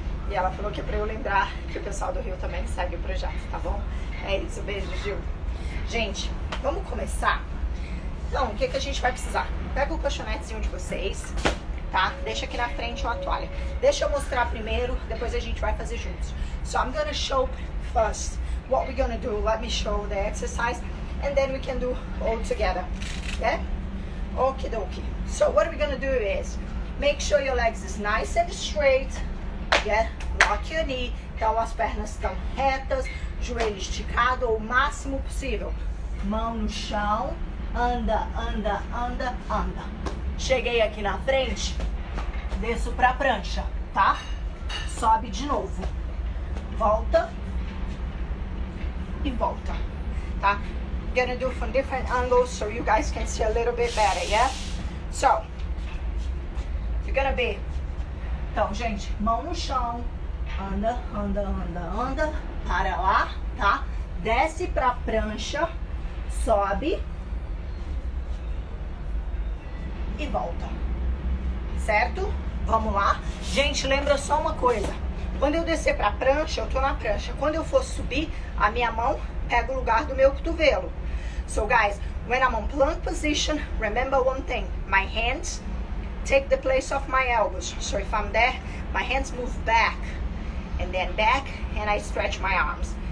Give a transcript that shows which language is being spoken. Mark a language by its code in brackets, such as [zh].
[pt] E ela falou que é pra eu lembrar que o pessoal do Rio também segue o projeto, tá bom? É isso, beijo, Gil. Gente, vamos começar? Então, o que, que a gente vai precisar? Pega o colchonetezinho de vocês, tá? Deixa aqui na frente uma toalha. Deixa eu mostrar primeiro, depois a gente vai fazer juntos. [en] So, I'm gonna show first what we're gonna do. Let me show the exercise, and then we can do all together. Yeah? Okie dokie. So what we're gonna do is make sure your legs is nice and straight. Yeah? Lock your knee. [pt] Então as pernas estão retas, joelho esticado o máximo possível. Mão no chão. Anda, anda, anda, anda. Cheguei aqui na frente, desço pra prancha, tá? Sobe de novo. Volta. E volta. Tá? [en] Gonna do from different angles so you guys can see a little bit better, yeah? So, you're gonna be. [pt] Então, gente, mão no chão. Anda, anda, anda, anda. Para lá, tá? Desce pra prancha. Sobe. E volta. Certo? Vamos lá. Gente, lembra só uma coisa. Quando eu descer pra prancha, eu tô na prancha. Quando eu for subir, a minha mão pega o lugar do meu cotovelo. [en] So guys, when I'm on plank position, remember one thing, my hands take the place of my elbows. So if I'm there, my hands move back, and then back, and I stretch my arms.